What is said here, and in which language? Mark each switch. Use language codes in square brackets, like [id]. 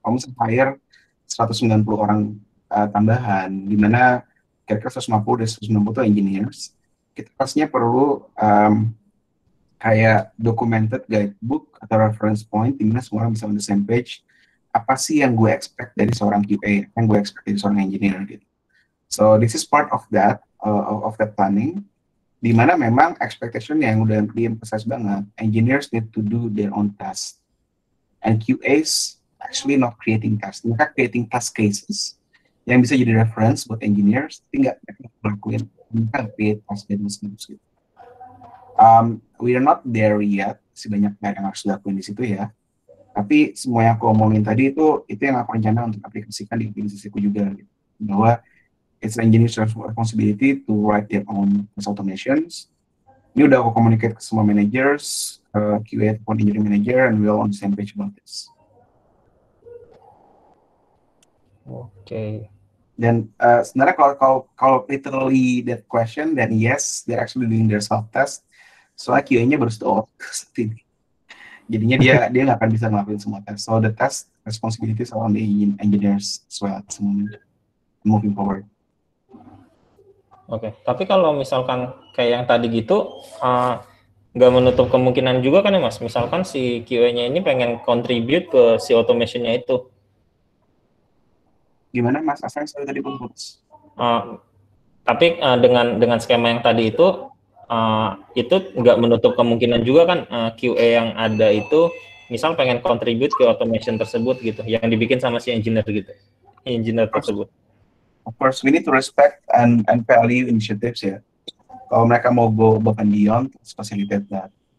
[id] Kamu hire 190 orang tambahan, di mana kira-kira 150 dari 190 itu engineers. Kita pastinya perlu kayak documented guidebook atau reference point di mana semua orang bisa [en] on the same page. [id] Apa sih yang gue expect dari seorang QA, yang gue expect dari seorang engineer gitu. [en] So this is part of that, of that planning. [id] Di mana memang expectation yang udah di-emphasize banget, [en] engineers need to do their own tasks. And QA's actually not creating tasks. [id] Mereka creating task cases yang bisa jadi reference buat engineers, tapi nggak melakukan, mereka create task cases gitu. [en] We are not there yet, [id] si banyak yang harus dilakuin di situ ya. Tapi semua yang aku omongin tadi itu yang aku rencana untuk aplikasikan di organisasiku juga gitu. [en] Bahwa it's engineer's responsibility to write their own automations. [id] Ini udah aku communicate ke semua managers, QA ataupun engineering manager, [en] and we're all on the same page about this. Okay. [id] Dan sebenarnya kalau [en] literally that question, then yes, they're actually doing their self-test. [id] Soalnya QA-nya baru setelah ini. Jadinya dia dia nggak akan bisa ngelakuin semua tes. [en] So the test responsibility is on the engineers as well, moving forward. Oke, okay. [id] Tapi kalau misalkan kayak yang tadi gitu, nggak menutup kemungkinan juga kan ya Mas, misalkan si QA-nya ini pengen contribute ke si automation-nya itu. Gimana Mas, asal saya tadi putus? Tapi dengan skema yang tadi itu nggak menutup kemungkinan juga kan QA yang ada itu, misal pengen contribute ke automation tersebut gitu, yang dibikin sama si engineer gitu, engineer tersebut. [en] Of course, we need to respect and value initiatives ya. [id] Kalau mereka mau [en] go above and beyond, [id] facilitate that.